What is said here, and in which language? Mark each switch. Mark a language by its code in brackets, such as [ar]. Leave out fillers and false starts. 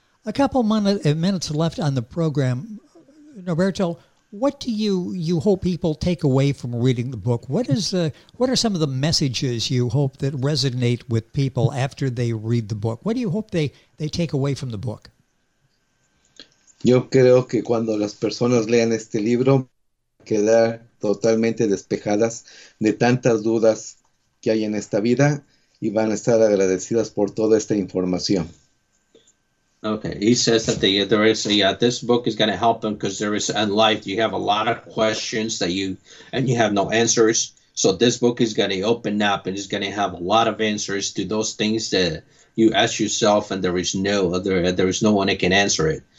[en] A couple minutes left on the program. Norberto, what do you hope people take away from reading the book? What are some of the messages you hope that resonate with people after they read the book? What do you hope they take away from the book? [es] Yo creo que cuando las personas lean este libro, quedar totalmente despejadas de tantas dudas que hay en esta vida y van a estar agradecidas por toda esta información. [en] Okay, he says that this book is going to help them because there is in life you have a lot of questions that you and you have no answers. So this book is going to open up and it's going to have a lot of answers to those things that you ask yourself and there is no other there is no one that can answer it.